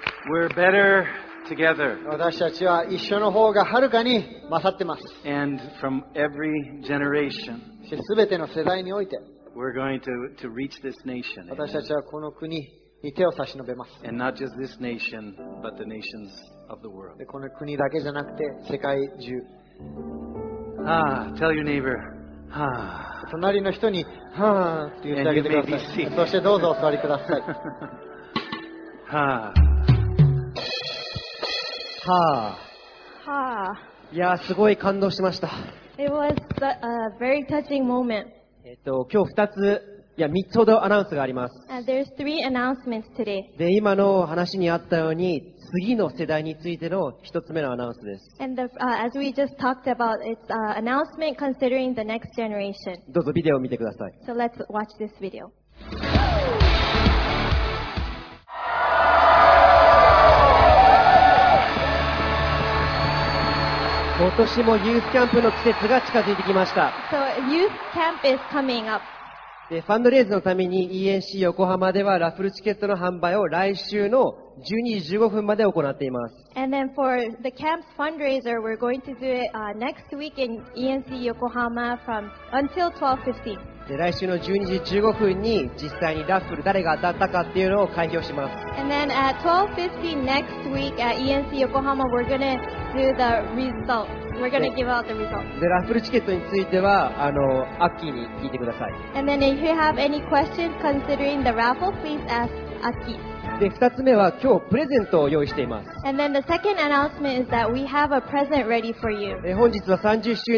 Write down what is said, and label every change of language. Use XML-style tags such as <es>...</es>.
<en>We're better together.</en> <ja>私たちは一緒の方がはるかに勝ってます。</ja> <en>And from every generation,</en> <ja>すべての世代において、</ja> <en>we're going to reach this nation.</en> <ja>私たちはこの国に手を差し伸べます。</ja> <en>And not just this nation, but the nations of the world.</en> <ja>でこの国だけじゃなくて世界中。</ja> <en>Ah, tell your neighbor.</en> <ja>隣の人に、はあって言ってあげてください。そしてどうぞお座りください。はあ。はあ、はあ、いやすごい感動しました。</ja> <en>It was a very touching moment.</en> <ja>今日2つ、いや3つほどアナウンスがあります。</ja> <en>There's three announcements today.</en> <ja>で今の話にあったように次の世代についての1つ目のアナウンスです。</ja> <en>And the, as we just talked about, it's an announcement considering the next generation.</en> <ja>どうぞビデオを見てください。</ja> <en>So let's watch this video.</en> <ja>今年もユースキャンプの季節が近づいてきました。</ja> <en>So, youth camp is coming up.</en> <ja>でファンドレイズのために ENC 横浜ではラッフルチケットの販売を来週の12時15分まで行っています。</ja> <en>And then for the camp's fundraiser, we're going to do it next week in ENC 横浜 from until 12:15.</en> <ja>で来週の12時15分に実際にラッフル誰が当たったかっていうのを開票します。</ja> <en>And then at 12:50 next week at ENC Yokohama, we're gonna do the results. We're gonna give out the results.</en> <ja>でラッフルチケットについてはアッキーに聞いてください。</ja> <en>And then if you have any questions considering the raffle, please ask アッキー。</en> <ja>で2つ目は今日プレゼントを用意しています。本日は30周</ja>